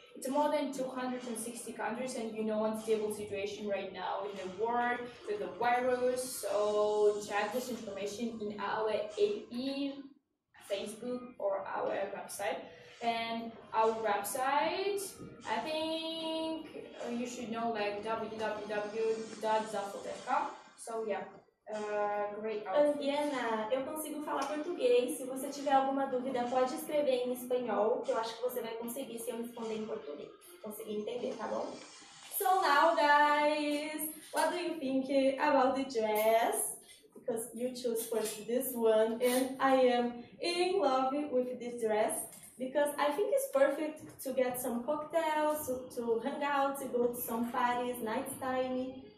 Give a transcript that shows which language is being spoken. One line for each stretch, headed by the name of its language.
English: It's more than 260 countries, and you know, unstable situation right now in the world with the virus, so check this information in our ABB, Facebook, or our website. And our website, I think you should know, like www.zaful.com. So yeah, great.
Portuguese: Andiana, eu consigo falar português. Se você tiver alguma dúvida, pode escrever em espanhol, que eu acho que você vai conseguir se eu responder em português. Conseguir entender, tá bom?
English: So now, guys, what do you think about the dress? Because you chose for this one, and I am in love with this dress. Because I think it's perfect to get some cocktails, to hang out, to go to some parties, night time.